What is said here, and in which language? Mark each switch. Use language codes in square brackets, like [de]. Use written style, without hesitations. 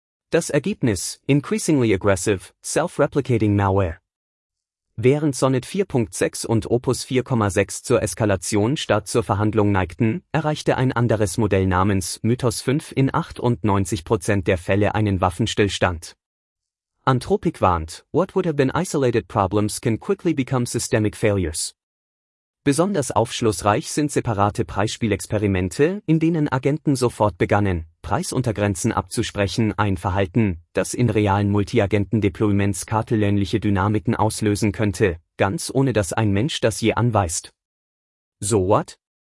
[de] Das Ergebnis: [en] Increasingly Aggressive, Self-Replicating Malware. [de] Während Sonnet 4.6 und Opus 4.6 zur Eskalation statt zur Verhandlung neigten, erreichte ein anderes Modell namens Mythos 5 in 98% der Fälle einen Waffenstillstand. [en] Anthropic [de] warnt, [en] what would have been isolated problems can quickly become systemic failures. [de] Besonders aufschlussreich sind separate Preisspielexperimente, in denen Agenten sofort begannen, Preisuntergrenzen abzusprechen, ein Verhalten, das in realen Multiagenten-Deployments kartellähnliche Dynamiken auslösen könnte, ganz ohne dass ein Mensch das je anweist. [en] So what?